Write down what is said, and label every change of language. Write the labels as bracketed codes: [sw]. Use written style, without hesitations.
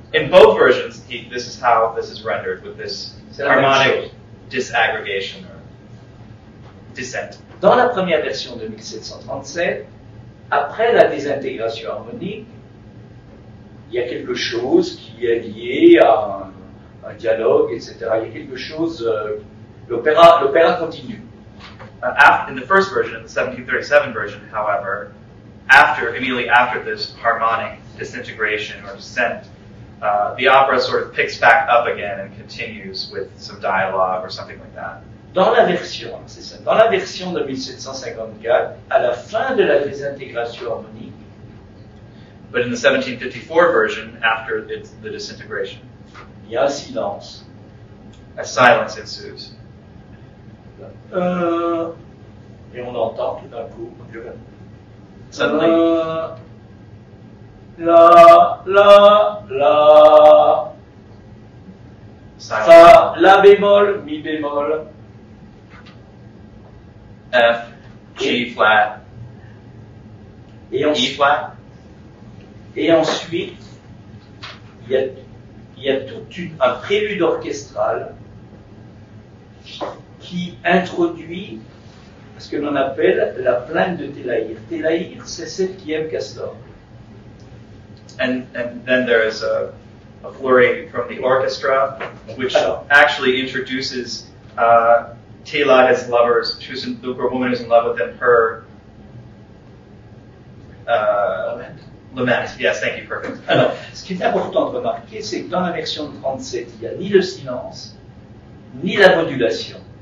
[en] In both versions, this is how this is rendered with this harmonic disaggregation or descent. [fr] Dans la première version de 1737, après la désintégration harmonique. Il y a quelque chose qui est lié à un dialogue, etc. Il y a quelque chose. L'opéra continue. [en] In the first version, the 1737 version, however, immediately after this harmonic disintegration or descent, the opera sort of picks back up again and continues with some dialogue or something like that. [fr] Dans la version, c'est ça. Dans la version de 1754, à la fin de la désintégration harmonique. [en] But in the 1754 version, after the disintegration, [fr] il y a silence. [en] A silence ensues. [fr] Et on entend tout d'un coup, [en] suddenly, la, la, la. [fr] Fa, la bémol, mi bémol. [en] F, G flat. [fr] Et ensuite, [en] E flat. [fr] Et ensuite, il y a tout un prélude orchestral qui introduit ce que l'on appelle la plainte de Télaïr. Télaïr, c'est celle qui aime Castor. [en] And then there is a flurry from the orchestra, which actually introduces Tela as lovers, who's in, the woman who's in love with him, her lament. Yes, thank you, perfect. [fr] Alors, ce qui est important de remarquer, c'est que dans la version de 37, il n'y a ni le silence, ni la modulation.